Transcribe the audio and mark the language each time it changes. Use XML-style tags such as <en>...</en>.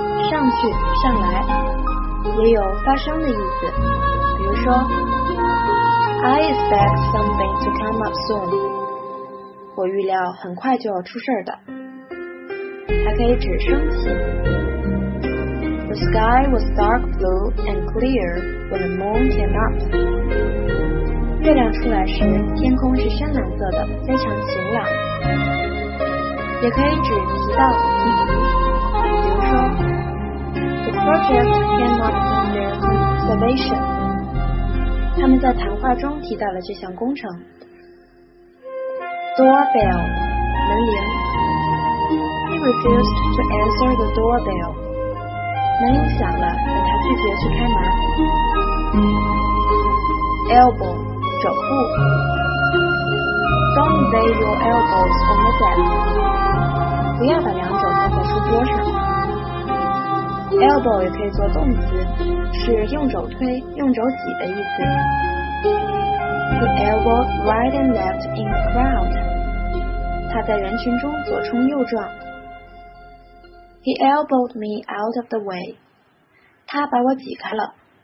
<zh>上去上来也有发生的意思，比如说</zh> <en>I expect something to come up soon，</en> <zh>我预料很快就要出事的。还可以指升起。</zh> <en>The sky was dark blue and clear when the moon came up，</en> <zh>月亮出来时天空是深蓝色的，非常晴朗。</zh> <en>也可以指提到提及，比如说 Project came up with their salvation.</en> <zh>他们在谈话中提到了这项工程。</zh> <en>Doorbell,</en> <zh>门铃。</zh> <en>He refused to answer the doorbell.</en> <zh>门铃响了，但他拒绝去开门。 Elbow, 肘部。</zh> <en>Don't lay your elbows on the desk.</en> <zh>不要把两肘放在书桌上。 Elbow 也可以做动词，是用肘推、用肘挤的意思。</zh> <en>He elbowed right and left in the crowd.</en> <zh>他在人群中左冲右撞。</zh> <en>He elbowed me out of the way.</en> <zh>他把我挤开了。</zh>